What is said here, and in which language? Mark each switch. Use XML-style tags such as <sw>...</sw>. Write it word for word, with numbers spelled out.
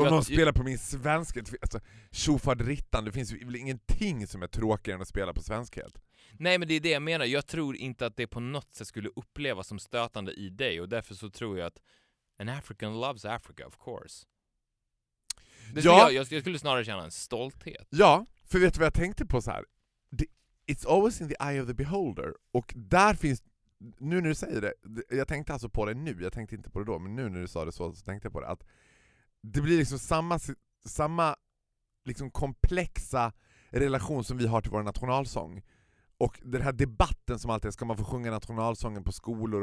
<sv>Om de spelar på min svenskhet, alltså tjofadrittan, det finns ju väl ingenting som är tråkigare än att spela på svenskhet. Nej, men det är det jag menar. Jag tror inte att det på något sätt skulle upplevas som stötande i dig. Och därför så tror jag att an African loves Africa, of course. Det skulle ja. jag, jag skulle snarare känna en stolthet. Ja, för vet du vad jag tänkte på så här?</sv> <en>it's always in the eye of the beholder.</en> <sv>Och där finns, nu när du säger det, jag tänkte alltså på det nu, jag tänkte inte på det då, men nu när du sa det så, så tänkte jag på det, att det blir liksom samma, samma liksom komplexa relation som vi har till vår nationalsång. Och den här debatten som alltid är, ska man få sjunga nationalsången på skolor?</sv>